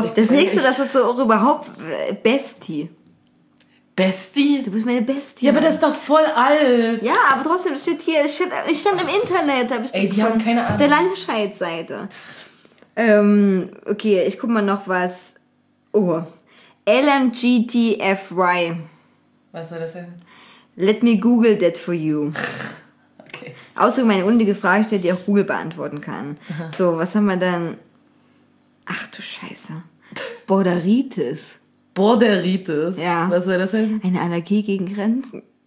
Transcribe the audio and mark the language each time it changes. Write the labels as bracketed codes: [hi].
[de] Das nächste, das ist so auch überhaupt Bestie. Bestie? Du bist meine Bestie. Ja, aber das ist doch voll alt. Ja, aber trotzdem steht hier, ich stand im Internet. Da ey, die haben keine Ahnung. Auf der Langscheid-Seite. Okay, ich guck mal noch was. Oh. LMGTFY. Was soll das denn? [en] Let me Google that for you. [de] Okay. Außer meine unnötige Frage stellt, die auch Google beantworten kann. Aha. So, was haben wir dann? Ach du Scheiße. Borderitis. Borderitis? Ja. Was soll das denn? Eine Allergie gegen Grenzen.